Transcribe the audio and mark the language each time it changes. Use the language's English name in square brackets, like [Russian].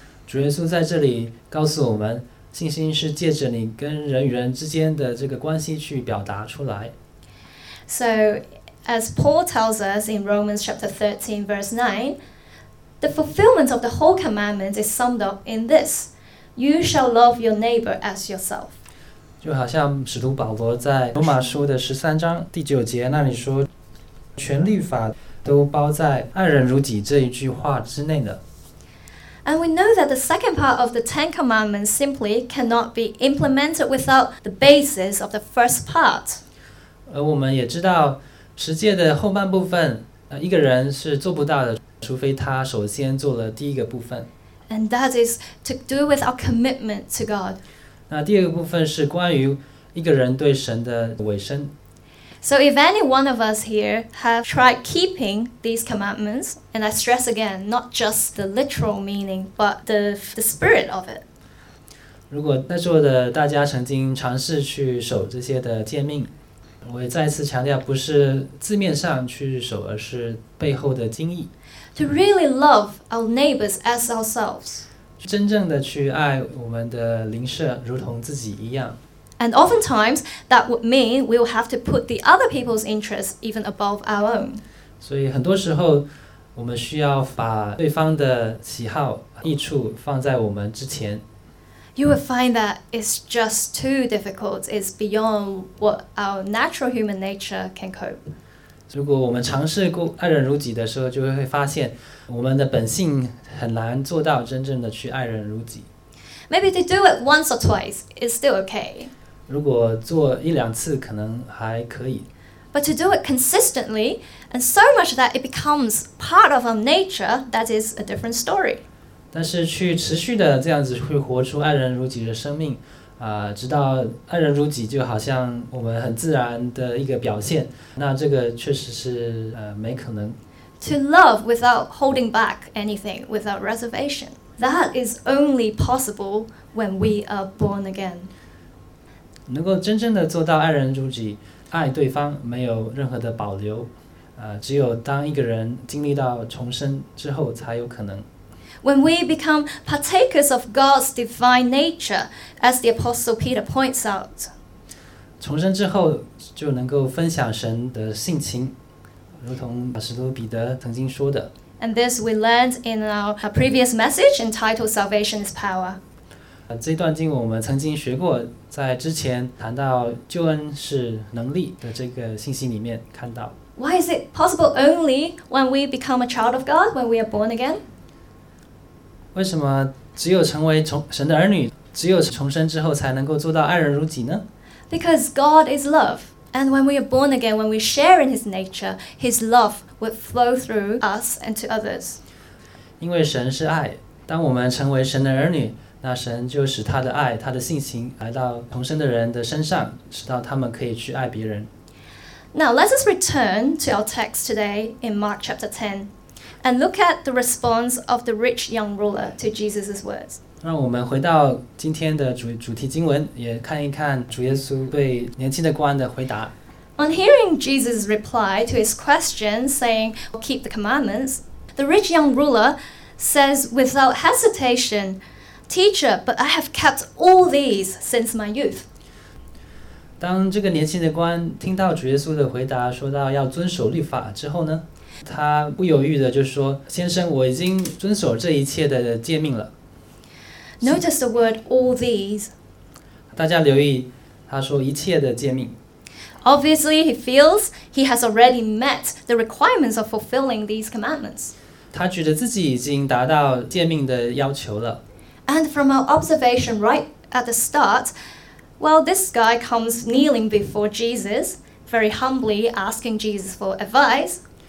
[Chinese] 主耶稣在这里告诉我们，信心是借着你跟人与人之间的这个关系去表达出来。 [English] So, as Paul tells us in Romans chapter 13, verse 9, the fulfillment of the whole commandment is summed up in this, you shall love your neighbor as yourself. [Chinese] 就好像使徒保罗在罗马书的13章第9节那里说，全律法都包在爱人如己这一句话之内的。 [English] And we know that the second part of the Ten Commandments simply cannot be implemented without the basis of the first part. [Chinese] 而我们也知道十诫的后半部分，一个人是做不到的，除非他首先做了第一个部分。 [English] And that is to do with our commitment to God. [Chinese] 那第二个部分是关于一个人对神的委身。 [English] So if any one of us here have tried keeping these commandments, and I stress again, not just the literal meaning, but the spirit of it. [Chinese] 如果在座的大家曾经尝试去守这些的诫命，我也再次强调，不是字面上去守，而是背后的经意。 [English] To really love our neighbors as ourselves. [Chinese] 真正的去爱我们的邻舍，如同自己一样。 [English] And oftentimes, that would mean we will have to put the other people's interests even above our own. [Chinese] 所以很多时候，我们需要把对方的喜好、益处放在我们之前。 [English] You will find that it's just too difficult. It's beyond what our natural human nature can cope. [Chinese] 如果我们尝试过爱人如己的时候，就会发现我们的本性很难做到真正的去爱人如己。 [English] Maybe to do it once or twice is still okay. [Chinese] 如果做一两次可能还可以。 [English] But to do it consistently, and so much that it becomes part of our nature, that is a different story. [Chinese] 但是去持续的这样子去活出爱人如己的生命，直到爱人如己就好像我们很自然的一个表现，那这个确实是没可能。 [English] To love without holding back anything, without reservation. That is only possible when we are born again. [Chinese] 能够真正的做到爱人如己，爱对方没有任何的保留，只有当一个人经历到重生之后才有可能。 [English] When we become partakers of God's divine nature, as the Apostle Peter points out. [Chinese] 重生之后就能够分享神的性情，如同使徒彼得曾经说的。 [English] And this we learned in our previous message entitled Salvation is Power. [Chinese] 这段经文我们曾经学过，在之前谈到救恩是能力的这个信息里面看到。 [English] Why is it possible only when we become a child of God, when we are born again? [Chinese] 为什么只有成为神的儿女，只有重生之后才能够做到爱人如己呢？ [English] Because God is love. And when we are born again, when we share in his nature, his love would flow through us and to others. [Chinese] 因为神是爱，当我们成为神的儿女，那神就使他的爱，他的性情来到重生的人的身上，使到他们可以去爱别人。 [English] Now let us return to our text today in Mark chapter 10 and look at the response of the rich young ruler to Jesus' words. [Chinese] 让我们回到今天的主题经文，也看一看主耶稣对年轻的官的回答。 [English] On hearing Jesus' reply to his question, saying, keep the commandments, the rich young ruler says without hesitation, Teacher, but I have kept all these since my youth. [Chinese] 当这个年轻的官听到主耶稣的回答说到要遵守律法之后呢，他不犹豫的就说，先生，我已经遵守这一切的诫命了。 [English] Notice the word all these. [Chinese] 大家留意他说一切的诫命。 [English] Obviously, he feels he has already met the requirements of fulfilling these commandments. [Chinese] 他觉得自己已经达到诫命的要求了。 [English] And from our observation right at the start, well, this guy comes kneeling before Jesus, very humbly asking Jesus for advice.